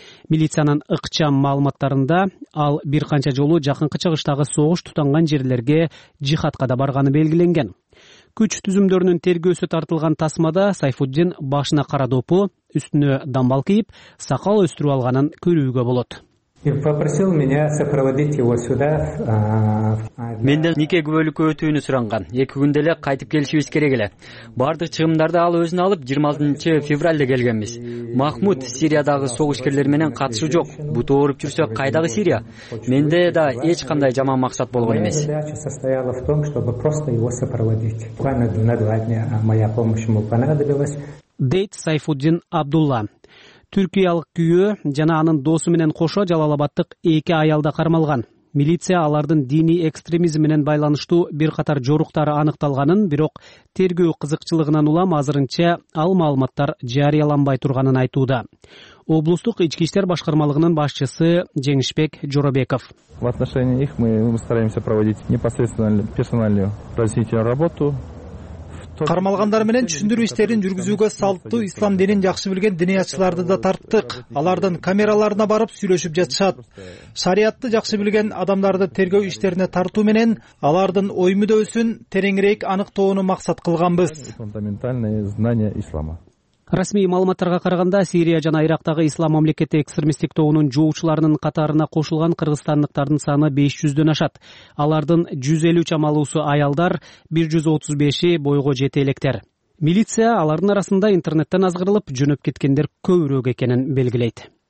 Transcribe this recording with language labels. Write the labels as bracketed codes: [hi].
[ky] Милициянын ыкчам маалыматтарында ал бир канча жолу жакынкы чыгыштагы согуш тутанган жерлерге жихатка да барганы белгиленген. Күч түзүмдөрүнүн тергөөсү тартылган тасмада Сайфуддин башына кара допу, үстүнө дамбал кийип, сакал өстүрүп алганын көрүүгө болот. [ru] Попросил меня сопроводить его сюда. [ky] Менден нике күбөлүккө өтүүнү суранган. 2 күндө эле кайтып келишибиз керек эле. Бардык чыгымдарды ал өзүнө алып 26 февралда келгенбиз. Махмут Сириядагы согушкерлер менен катышуу жок. Бут ооруп жүрсө кайдагы Сирия? Менде да эч кандай жаман максат болгон эмес. [ru] Состояла в том, чтобы просто его сопроводить. Буквально на 2 дня моя помощь ему понадобилась. [ky] Дейт Сайфуддин Абдулла. Түркиялык күйөө жана анын досу менен кошо Жалал Абадтык 2 аялда кармалган. Милиция алардын диний экстремизм менен байланыштуу бир катар жоруктары аныкталганын, бирок тергөө кызыкчылыгынан улам азырынча ал маалыматтар жарыяланбай турганын айтууда. Облустук ички иштер башкармалыгынын башчысы Жеңишбек Жоробеков. [ru] В отношении их мы стараемся проводить непосредственно персональную разъяснительную работу. [ky] Кармалгандар менен түшүндүрүү иштерин жүргүзүүгө салттуу ислам динин жакшы билген диний ачыларды да тарттык. Алардын камераларына барып сүйлөшүп жатышат. Шариатты жакшы билген адамдарды тергөө иштерине тартуу менен алардын ой мүдөөсүн тереңирээк аныктоону максат кылганбыз. [ru] Фундаментальные знания ислама. [ky] Расмий маалыматтарга караганда Сирия жана Ирактагы ислам мамлекети экстремисттик тобунун жоочуларынын катарына кошулган кыргызстандыктардын саны 500-дөн ашат. Алардын 153 чамалуусу аялдар, 135 бойго жете электер. Милиция алардын арасында интернеттен азгырылып жөнөп кеткендер көбүрөөк экенин белгилейт.